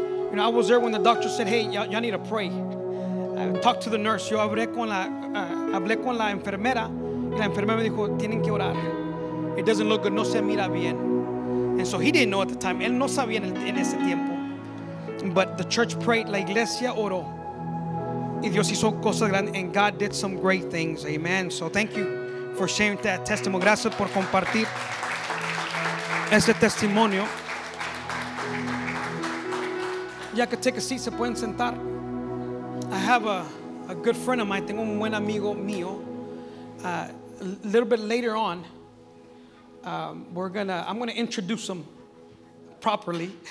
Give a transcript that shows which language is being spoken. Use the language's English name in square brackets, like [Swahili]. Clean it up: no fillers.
[English] You know, I was there when the doctor said, hey, y'all need to pray. Talk to the nurse. [Spanish] Yo hablé con la enfermera. Y la enfermera me dijo, tienen que orar. [English] It doesn't look good. [Spanish] No se mira bien. [English] And so he didn't know at the time. [Spanish] Él no sabía en ese tiempo. [English] But the church prayed, [Spanish] la iglesia oró. Y Dios hizo cosas grandes, [English] and God did some great things. Amen. So thank you for sharing that testimony. [Spanish] Gracias por compartir ese testimonio. Ya que [English] take a seat, [Spanish] se pueden sentar. [English] I have a good friend of mine, [Spanish] tengo un buen amigo mío. [English] A little bit later on, I'm gonna introduce him properly.